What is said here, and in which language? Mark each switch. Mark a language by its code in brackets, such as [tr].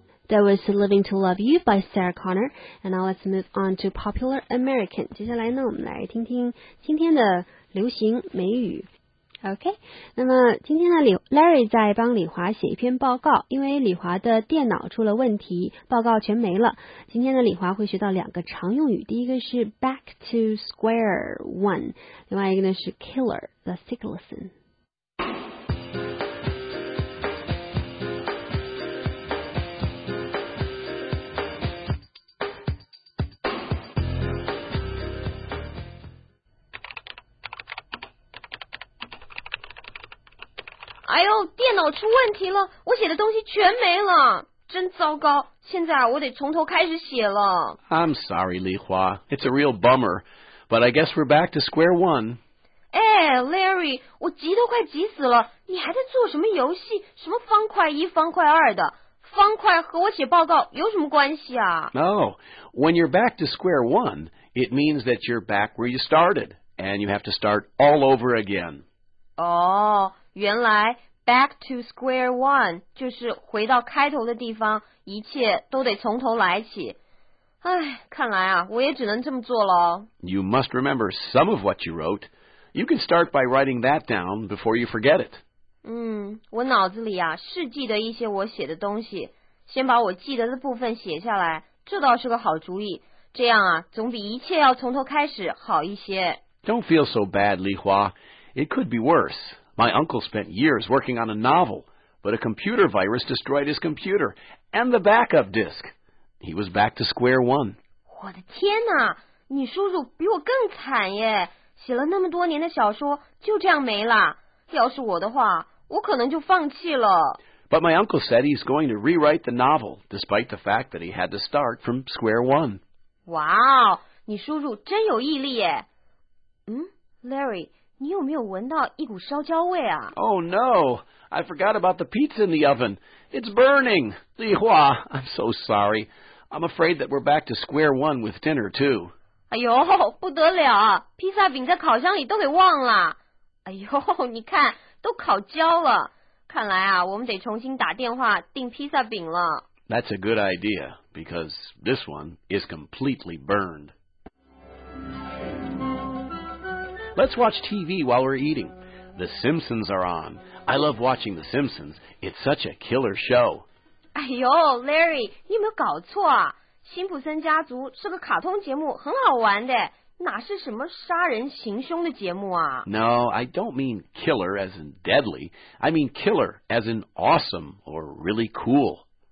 [en] That was Living to Love You by Sarah Connor. And now let's move on to Popular American. [zh] 接下来呢，我们来听听今天的流行美语。 OK, 那么今天呢 Larry 在帮李华写一篇报告，因为李华的电脑出了问题，报告全没了。今天呢李华会学到两个常用语，第一个是 [en] back to square one, [zh] 另外一个呢是 killer, the sick listen. 哎呦，电脑出问题了，我写的东西全没了，真糟糕！现在啊，我得从头开始写了。 [en] I'm sorry, Li Hua. It's a real bummer, but I guess we're back to square one. [zh] 哎 ，Larry， 我急都快急死了，你还在做什么游戏？什么方块一、方块二的？方块和我写报告有什么关系啊 [en] ？No, when you're back to square one, it means that you're back where you started, and you have to start all over again. [zh] 哦。原来 [en] back to square one [zh] 就是回到开头的地方，一切都得从头来起。哎，看来啊，我也只能这么做了。 [en] You must remember some of what you wrote. You can start by writing that down before you forget it. [zh] 嗯，我脑子里啊是记得一些我写的东西，先把我记得的部分写下来，这倒是个好主意。这样啊，总比一切要从头开始好一些。 [en] Don't feel so bad, Li Hua. It could be worse. My uncle spent years working on a novel, but a computer virus destroyed his computer and the backup disk. He was back to square one. [zh] 我的天哪，你叔叔比我更惨耶，写了那么多年的小说就这样没了。要是我的话，我可能就放弃了。 [en] But my uncle said he's going to rewrite the novel, despite the fact that he had to start from square one. [zh] 哇，你叔叔真有毅力耶。Larry... 你有没有闻到一股烧焦味啊 [en] ？Oh no! I forgot about the pizza in the oven. It's burning. Li Hua, I'm so sorry. I'm afraid that we're back to square one with dinner too. [zh] 哎呦，不得了！披萨饼在烤箱里都给忘了。哎呦，你看，都烤焦了。看来啊，我们得重新打电话订披萨饼了。 [en] That's a good idea because this one is completely burned. Let's watch TV while we're eating. The Simpsons are on. I love watching The Simpsons. It's such a killer show. [zh] 哎呦 ，Larry， 你有没有搞错啊？辛普森家族是个卡通节目，很好玩的，哪是什么杀人行凶的节目啊 [en] ？No, I don't mean killer as in deadly. I mean killer as in awesome or really cool.